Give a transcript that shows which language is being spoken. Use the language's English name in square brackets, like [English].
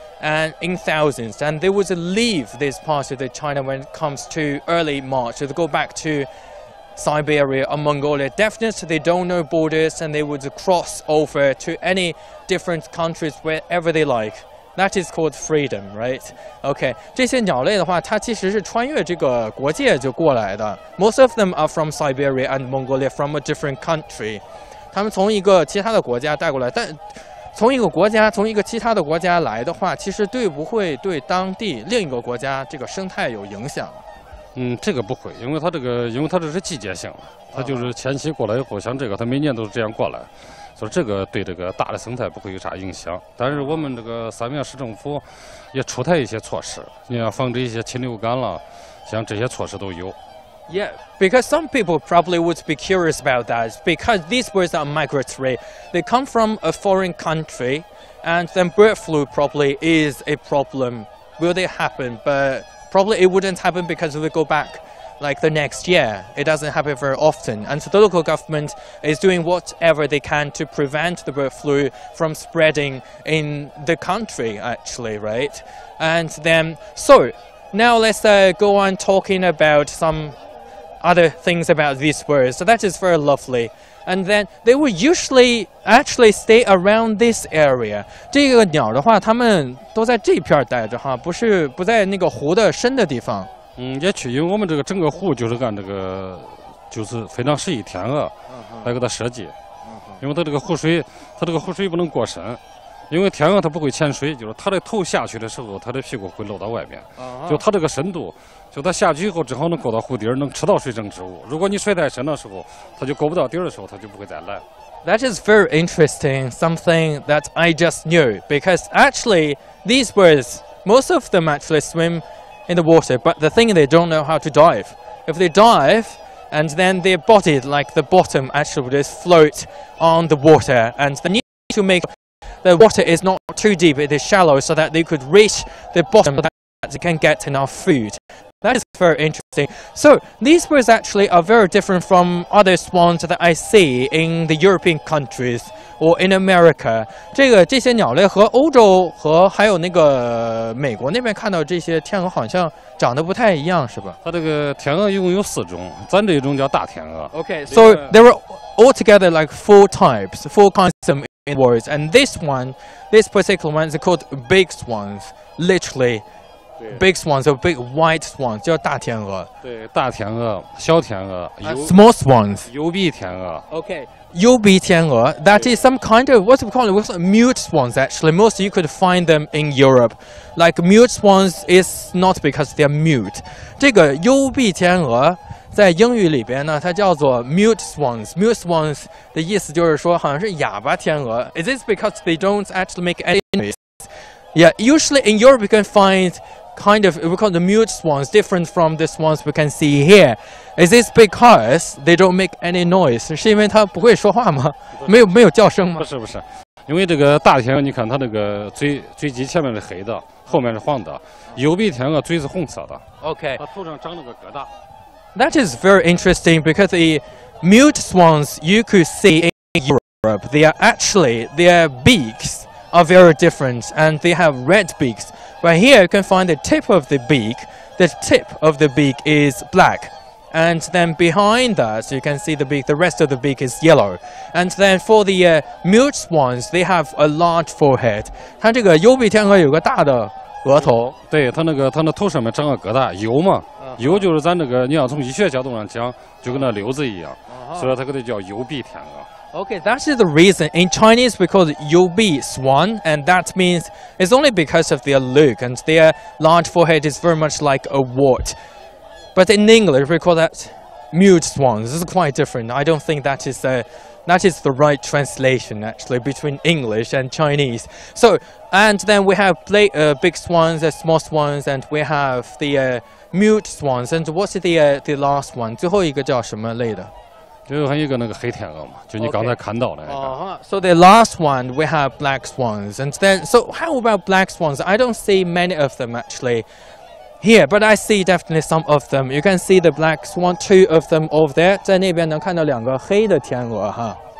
[English] And in thousands, and they would leave this part of the China when it comes to early March. So they go back to Siberia or Mongolia. Definitely, they don't know borders, and they would cross over to any different countries wherever they like. That is called freedom, right? [Chinese] Okay, 这些鸟类的话，它其实是穿越这个国界就过来的。 [English] Most of them are from Siberia and Mongolia, from a different country. [Chinese] 他们从一个其他的国家带过来，但从一个国家，从一个其他的国家来的话，其实对不会对当地另一个国家这个生态有影响。嗯，这个不会，因为它这个，因为它这是季节性，它就是前期过来以后，像这个，它每年都是这样过来，所以这个对这个大的生态不会有啥影响。但是我们这个三明市政府也出台一些措施，你要防止一些禽流感了，像这些措施都有。 [English] Yeah, because some people probably would be curious about that because these birds are migratory. They come from a foreign country and then bird flu probably is a problem. Will it happen? But probably it wouldn't happen because they go back like the next year. It doesn't happen very often. And so the local government is doing whatever they can to prevent the bird flu from spreading in the country actually, right? And then, so now let's go on talking about someother things about these birds, so that is very lovely. And then they will usually actually stay around this area. [Chinese] 这个鸟的话，它们都在这片待着哈，不是不在那个湖的深的地方。嗯，也许因为我们这个整个湖就是按这个，就是非常适宜天鹅来给它设计。因为它这个湖水，它这个湖水不能过深，因为天鹅它不会潜水，就是它的头下去的时候，它的屁股会露到外面，就它这个深度。就它下去以后，正好能够到湖底儿，能吃到水生植物。如果你水太深的时候，它就够不到底儿的时候，它就不会再来。 [English] That is very interesting. Something that I just knew because actually these birds, most of them actually swim in the water. But the thing they don't know how to dive. If they dive, and then their body, like the bottom, actually would just float on the water. And they need to make the water is not too deep; it is shallow, so that they could reach the bottom, so that they can get enough food. That is very interesting. So these birds actually are very different from other swans that I see in the European countries or in America. [Chinese] 这些鸟类和欧洲和还有那个美国那边看到这些天鹅好像长得不太一样，是吧？它这个天鹅一共有四种，咱这一种叫大天鹅。 [English] Okay, so there are altogether like four types, four kinds of swans, and this one, this particular one is called big swans, literally. big swans, so big white swans, [Chinese] 叫大天鹅。对，大天鹅、小天鹅。 [English] Small swans. [Chinese] 幽闭天鹅。 [English] Okay. 幽闭天鹅 that is some kind of, what's it called, it was mute swans actually, most you could find them in Europe. Like mute swans is not because they're mute. [Chinese] 这个幽闭天鹅在英语里边呢它叫做 mute swans. Mute swans 的意思就是说好像是哑巴天鹅。 [English] Is this because they don't actually make any noise? Yeah, usually in Europe you can find kind of, we call the mute swans, different from the swans we can see here. Is this because they don't make any noise? [Chinese] 是因为它不会说话吗？没有叫声吗？不是不是，因为这个大天鹅，你看它那个嘴脊前面是黑的，后面是黄的。幽闭天鹅嘴是红色的。 [English] Okay. [Chinese] 它头上长了个疙瘩。 [English] That is very interesting because the mute swans you could see in Europe, they are actually their beaks are very different and they have red beaks. But here you can find the tip of the beak. The tip of the beak is black. And then behind that, you can see the beak, the rest of the beak is yellow. And then for the mute swans, they have a large forehead. [Chinese] 它这个幽闭天鹅有个大的额头。对，它那头上面长个疙瘩，疣嘛。疣就是咱这、那个，你要从医学角度上讲，就跟那瘤子一样。所以它给它叫幽闭天鹅。 [English] Okay, that is the reason. In Chinese, we call it Yu Bi Swan, and that means it's only because of their look, and their large forehead is very much like a wart. But in English, we call that mute swans. This is quite different. I don't think that is the right translation, actually, between English and Chinese. So, and then we have big swans, small swans, and we have the mute swans. And what's the last one? [Chinese] 最后一个叫什么类的？最后一个那个黑天鹅嘛，就你刚才看到的那个。 [English] So the last one, we have black swans. And then, so how about black swans? I don't see many of them, actually. Here, but I see definitely some of them. You can see the black swan, two of them over there. [Chinese] 在那边能看到两个黑的天鹅哈。